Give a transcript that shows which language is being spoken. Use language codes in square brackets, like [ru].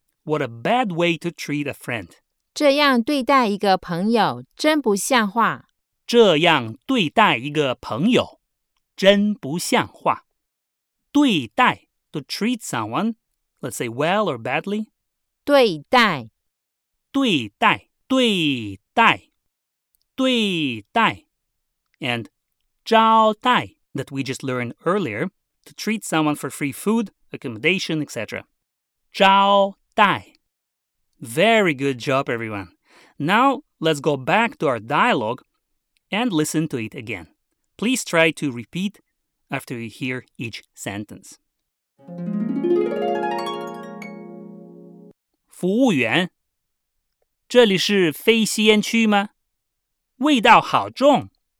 [en] What a bad way to treat a friend. [zh] 这样对待一个朋友,真不像话。这样对待一个朋友,真不像话。 [en] 对待, to treat someone, let's say well or badly. [zh] 对待。对待,对待。对待。 [en] And 招待。That we just learned earlier, to treat someone for free food, accommodation, etc. 招待.Very good job, everyone. Now, let's go back to our dialogue and listen to it again. Please try to repeat after you hear each sentence. [zh] 服务员,这里是非吸烟区吗? 味道好重。